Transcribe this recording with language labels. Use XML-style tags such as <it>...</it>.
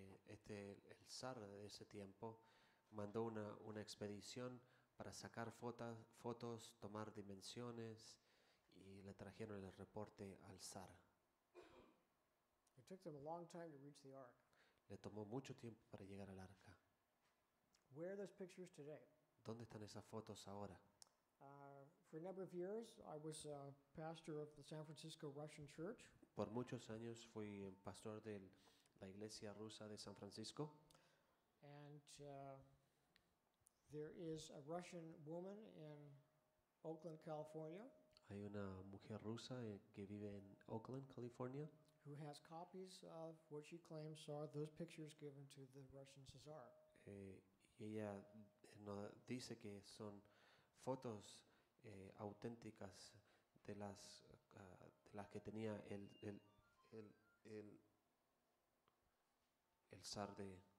<es>El zar de ese tiempo mandó una expedición para sacar fotos, tomar dimensiones, y le trajeron el reporte al zar.</es> <en>It took them a long time to reach the Ark.</en> <es>Le tomó mucho tiempo para llegar al arca.</es> <en>Where are those pictures today?</en> <es>¿Dónde están esas fotos ahora?</es> <en>For a number of years, I was a pastor of the San Francisco Russian Church.</en> <es>Por muchos años fui pastor de la iglesia rusa de San Francisco.</es> <en>And there is a Russian woman in Oakland, California.</en> <es>Hay una mujer rusa que vive en Oakland, California,</es> <en>who has copies of what she claims are those pictures given to the Russian Tsar.</en> <es>Ella nos dice que son fotos auténticas de las que tenía el zar de</es>